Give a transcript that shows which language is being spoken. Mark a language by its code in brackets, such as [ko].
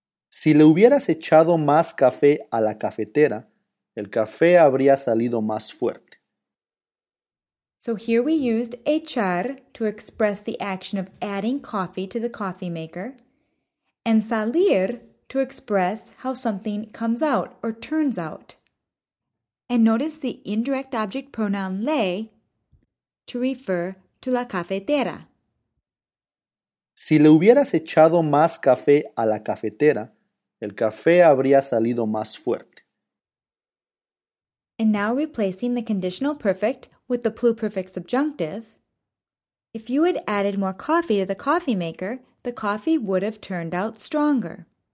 [es] Si le hubieras echado más café a la cafetera, el café habría salido más fuerte. [en] So here we used echar to express the action of adding coffee to the coffee maker, and salir to express how something comes out or turns out. And notice the indirect object pronoun le to refer to la cafetera. [es] Si le hubieras echado más café a la cafetera, el café habría salido más fuerte. [en] And now replacing the conditional perfect with the pluperfect subjunctive, if you had added more coffee to the coffee maker, the coffee would have turned out stronger.